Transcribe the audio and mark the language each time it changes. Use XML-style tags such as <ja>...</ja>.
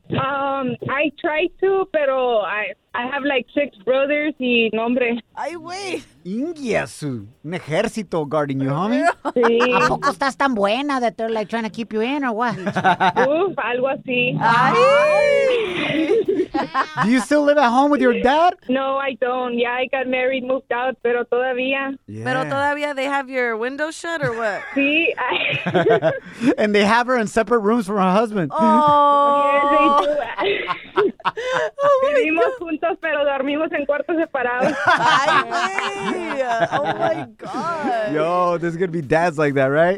<en>I tried to,</en> <es>pero</es> <en>I have like 6 brothers</en> <es>y nombre. Ay, güey.</es> <en>Inguiasu.</en> <es>Un ejército</es> <en>guarding you, homie.</en> <es>Sí. ¿A poco estás tan buena</es> <en>that they're like trying to keep you in or what?</en> <es>Uf, algo así. Ay.</es> <en>Do you still live at home with your dad? No, I don't. Yeah, I got married, moved out,</en> <es>pero todavía.</es> <en>Yeah.</en> <es>Pero todavía</es> <en>they have your window shut or what?</en> <es>Sí.</es> <en>And they have her in separate rooms from her husband. Oh. Yes, they do.</en> <es>Vivimos juntos, pero dormimos en cuartos separados. Ay, wey.</es> <en>Oh, my God. Yo, there's going to be dads like that, right?</en>